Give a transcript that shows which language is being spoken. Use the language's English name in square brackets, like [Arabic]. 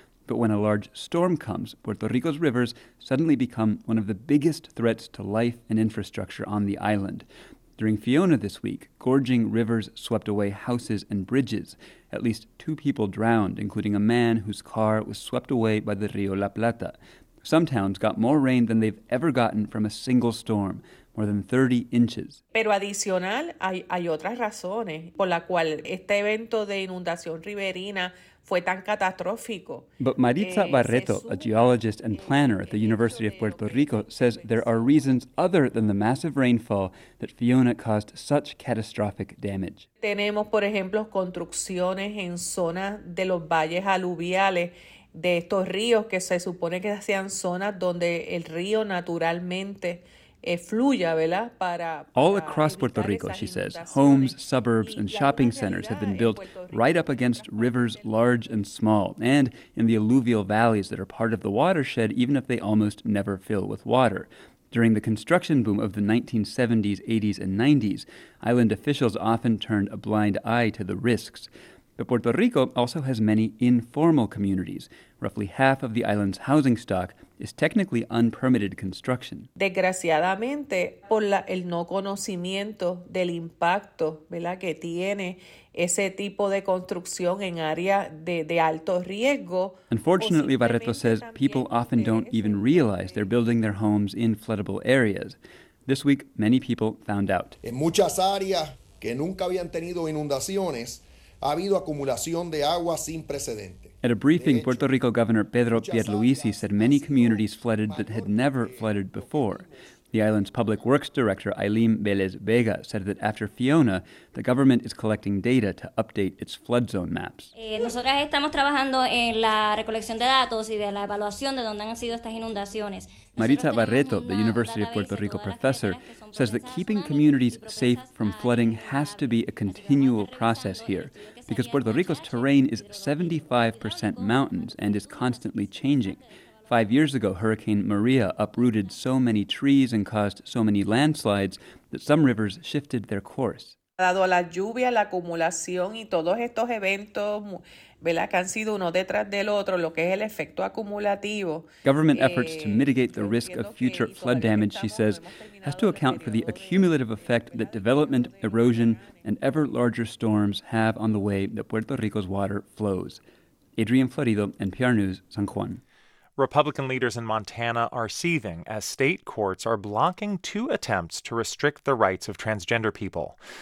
[English] But when a large storm comes, Puerto Rico's rivers suddenly become one of the biggest threats to life and infrastructure on the island. During Fiona this week, gorging rivers swept away houses and bridges. At least two people drowned, including a man whose car was swept away by the Rio La Plata. Some towns got more rain than they've ever gotten from a single storm, more than 30 inches. [Spanish] Pero adicional, hay otras razones por la cual este evento de inundación riberina fue tan catastrófico. [English] But Maritza Barreto, a geologist and planner at the University of Puerto Rico, says there are reasons other than the massive rainfall that Fiona caused such catastrophic damage. [Spanish] Tenemos, por ejemplo, construcciones en zonas de los valles aluviales de estos ríos que se supone que sean zonas donde el río naturalmente fluya, ¿verdad? [English] All across Puerto Rico, she says, homes, suburbs, and shopping centers have been built right up against rivers large and small, and in the alluvial valleys that are part of the watershed, even if they almost never fill with water. During the construction boom of the 1970s, 80s, and 90s, island officials often turned a blind eye to the risks. But Puerto Rico also has many informal communities. Roughly half of the island's housing stock is technically unpermitted construction. [Spanish] Desgraciadamente, por el no conocimiento del impacto, ¿verdad?, que tiene ese tipo de construcción en área de alto riesgo. [English] Unfortunately, Barreto says people often don't even realize they're building their homes in floodable areas. This week, many people found out. [Spanish] En muchas áreas que nunca habían tenido inundaciones, ha habido acumulación de agua sin precedente. [English] At a briefing, Puerto Rico Governor Pedro Pierluisi said many communities flooded that had never flooded before. The island's public works director, Aileen Vélez Vega, said that after Fiona, the government is collecting data to update its flood zone maps. [Spanish] Nosotras estamos trabajando en la recolección de datos y de la evaluación de dónde han sido estas inundaciones. [English] Maritza Barreto, the University of Puerto Rico professor, says that keeping communities safe from flooding has to be a continual process here, because Puerto Rico's terrain is 75% mountains and is constantly changing. 5 years ago, Hurricane Maria uprooted so many trees and caused so many landslides that some rivers shifted their course. [Spanish] Dado la lluvia, la acumulación y todos estos eventos, ¿verdad?, que han sido uno detrás del otro, lo que es el efecto acumulativo. [English] Government efforts to mitigate the risk of future flood damage, she says, has to account for the accumulative effect that development, erosion, and ever larger storms have on the way that Puerto Rico's water flows. Adrian Florido, NPR News, San Juan. Republican leaders in Montana are seething as state courts are blocking two attempts to restrict the rights of transgender people.